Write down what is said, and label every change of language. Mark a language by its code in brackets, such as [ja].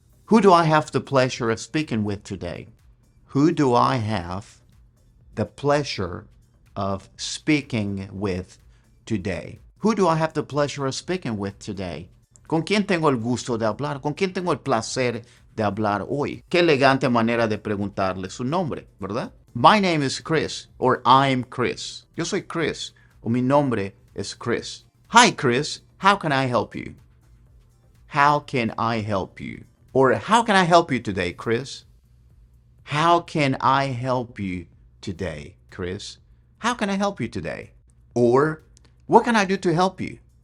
[en] Who do I have the pleasure of speaking with today? Who do I have the pleasure of speaking with today? Who do I have the pleasure of speaking with today? [es] ¿Con quién tengo el gusto de hablar? ¿Con quién tengo el placer de hablar hoy? Qué elegante manera de preguntarle su nombre, ¿verdad? [en] My name is Chris, or I'm Chris. [es] Yo soy Chris, o mi nombre es Chris. [en] Hi, Chris. How can I help you? How can I help you? Or how can I help you today, Chris? How can I help you today, Chris? How can I help you today? Or what can I do to help you?